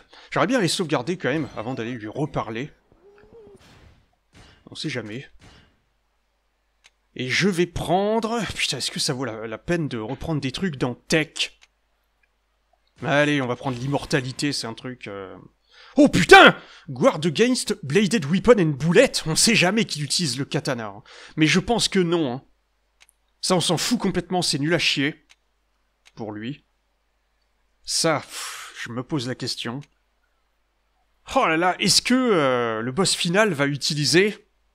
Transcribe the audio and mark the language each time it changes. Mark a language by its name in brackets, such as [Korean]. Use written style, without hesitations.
[French] J'aurais bien les sauvegarder quand même, avant d'aller lui reparler. On sait jamais. Et je vais prendre... Putain, est-ce que ça vaut la peine de reprendre des trucs dans Tech? Allez, on va prendre l'immortalité, c'est un truc... Oh putain! [English] Guard against bladed weapon and bullet? [French] On sait jamais qu'il utilise le katana. Hein. Mais je pense que non. Hein. Ça, on s'en fout complètement, c'est nul à chier. Pour lui. Ça, je me pose la question. Oh là là, est-ce que le boss final va utiliser...